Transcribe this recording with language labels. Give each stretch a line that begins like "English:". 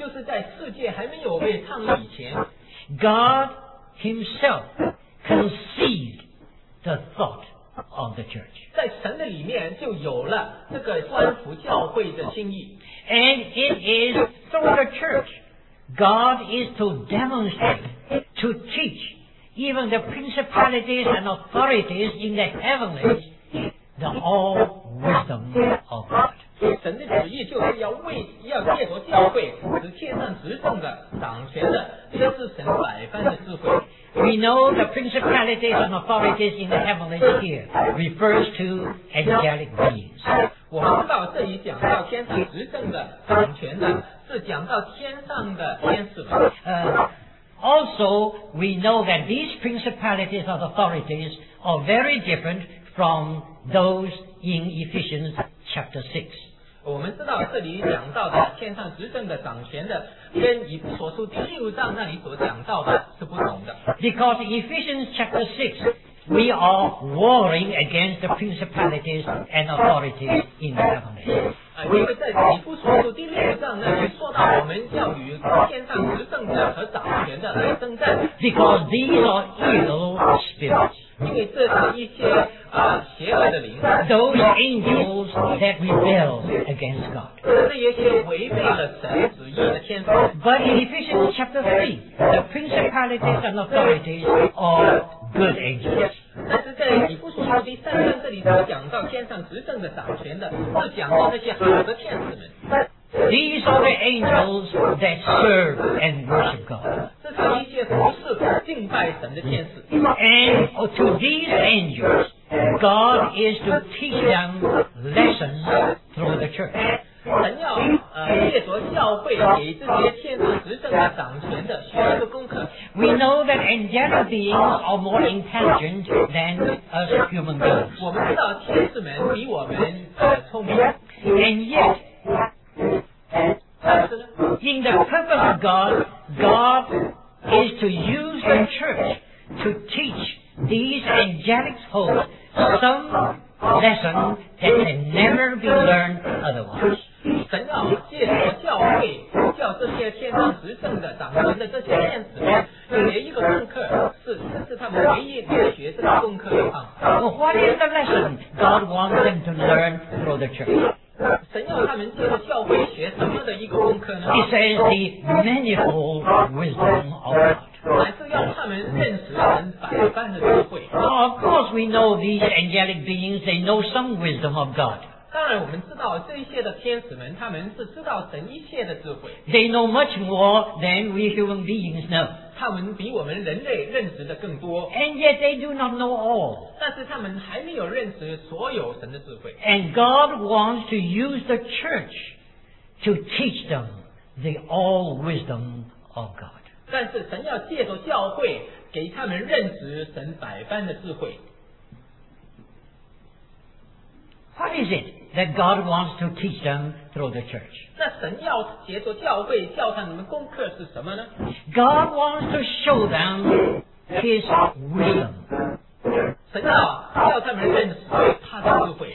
Chinese: 就是在世界还没有被创立以前，
English: God Himself conceived the thought. Of the church.
Chinese: 在神的里面就有了这个专属教会的心意。
English: And it is through the church, God is to demonstrate, to teach, even the principalities and authorities in the heavenlies, the all wisdom of God.
Chinese: 神的旨意就是要借着教会，使天上执政的、掌权的，这是神百般的智慧。
English: We know the principalities and authorities in the heavenlies here refers to angelic beings.
Chinese: 我们知道这里讲到天上执政的、掌权的，是讲到天上的天使。
English: Also, we know that these principalities and authorities are very different from those in Ephesians chapter 6.
Chinese: 我们知道这里讲到的天上执政的、掌权的，跟以弗所书第六章那里所讲到的是不同的。
English: Because in Ephesians chapter 6, we are warring against the principalities and authorities in the heavenlies.
Chinese: 因为在以弗所书第六章那里说到我们要与天上执政的和掌权的来征战。
English: Because these are evil spirits.
Chinese: 因为这是一些邪恶的灵。
English: Those angels that rebel against God.
Chinese: 这些违背了神旨意的天使。
English: But in Ephesians chapter 3, the principalities and authorities are good angels.
Chinese: 但是在以弗所书第三章这里所讲到天上执政的、掌权的，是讲到那些好的天使们。
English: These are the angels that serve and worship God. And to these angels, God is to teach them lessons through the church.
Chinese: 神要借着教会给这些天使执政的、掌权的学一个功课。
English: We know that angelic beings are more intelligent than us human beings.
Chinese: 我们知道天使们比我们聪明。
English: And yet, in the purpose of God, God is to use the church to teach these angelic hosts some lesson that can never be learned otherwise.
Chinese: 神要借着教会叫这些天上执政的、掌权的这些天使们学一个功课，是他们唯一能学这个功课的方法。
English: Well, what is the lesson God wants them to learn through the church?
Chinese: 神要他们借着教会学什么的一个功课呢？
English: He says the manifold wisdom of God.
Chinese: 乃是要他们认识神百般的智慧。
English: Well, of course we know these angelic beings, they know some wisdom of God.
Chinese: 当然我们知道这些的天使们，他们是知道神一切的智慧。
English: They know much more than we human beings know.
Chinese: 他们比我们人类认识的更多。
English: And yet they do not know all.
Chinese: 但是他们还没有认识所有神的智慧。
English: And God wants to use the church to teach them the all wisdom of God.
Chinese: 但是神要借着教会给他们认识神百般的智慧。
English: What is it that God wants to teach them through the church?
Chinese: 那神要借着教会教他们功课是什么呢？
English: God wants to show them His wisdom.
Chinese: 神要他们认识他的智慧。